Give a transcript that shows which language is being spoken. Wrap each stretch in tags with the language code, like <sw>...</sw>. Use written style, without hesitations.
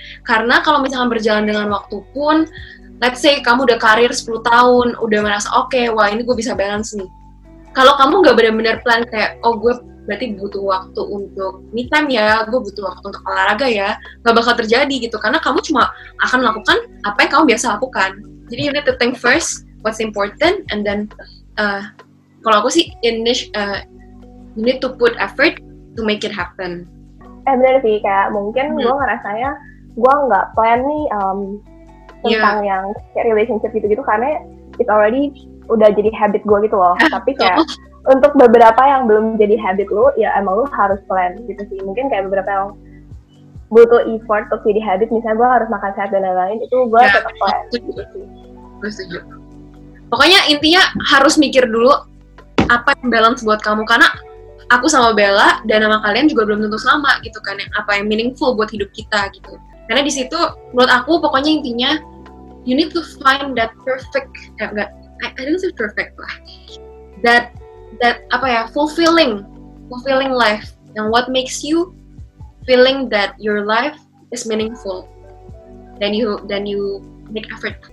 <id>Karena kalau misalkan berjalan dengan waktu pun,</id> <en>let's say</en> <id>kamu udah karir 10 tahun, udah merasa okay, wah ini gue bisa balance nih. Kalau kamu gak benar-benar plan kayak, oh gue berarti butuh waktu untuk me time ya, gue butuh waktu untuk olahraga ya, gak bakal terjadi gitu. Karena kamu cuma akan melakukan apa yang kamu biasa lakukan.</id> <en>Jadi you need to think first what's important, and then</en> <id>kalau aku sih</id> <en>you need to put effort to make it happen.</en> <id>Benar sih, kayak mungkin gue ngerasanya gue nggak plan nih tentang yang kayak relationship gitu-gitu, karena</id> <en>it already</en> <id>udah jadi habit gue gitu loh. Tapi kayak untuk beberapa yang belum jadi habit lo, ya emang lo harus plan gitu sih. Mungkin kayak beberapa yang butuh effort untuk jadi habit, misalnya gue harus makan sehat dan lain-lain, itu gue tetap plan. Gue setuju. Pokoknya intinya harus mikir dulu apa yang balance buat kamu, karena aku sama Bella dan nama kalian juga belum tentu sama gitu kan, yang apa yang meaningful buat hidup kita gitu. Karena di situ menurut aku pokoknya intinya</id> <en>you need to find that perfect, I don't say perfect lah, that</en> <id>apa ya,</id> <en>fulfilling life, and what makes you feeling that your life is meaningful, then you make effort.</en>